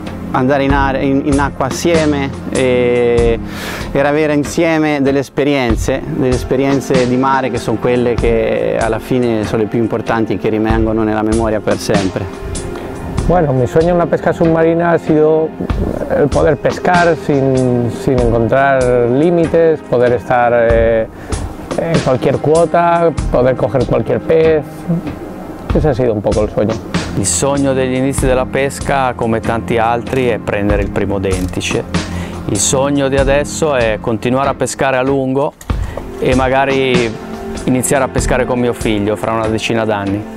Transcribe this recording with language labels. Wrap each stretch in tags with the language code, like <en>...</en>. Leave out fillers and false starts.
<it>andare in acqua assieme e avere insieme delle esperienze di mare che sono quelle che alla fine sono le più importanti e che rimangono nella memoria per sempre.</it> <es>Bueno, mi sueño una pesca submarina ha sido el poder pescar sin encontrar límites, poder estar en cualquier cuota, poder coger cualquier pez. Ese ha sido un poco el sueño.</es> <it>Il sogno degli inizi della pesca, come tanti altri, è prendere il primo dentice. Il sogno di adesso è continuare a pescare a lungo e magari iniziare a pescare con mio figlio fra una decina d'anni.</it>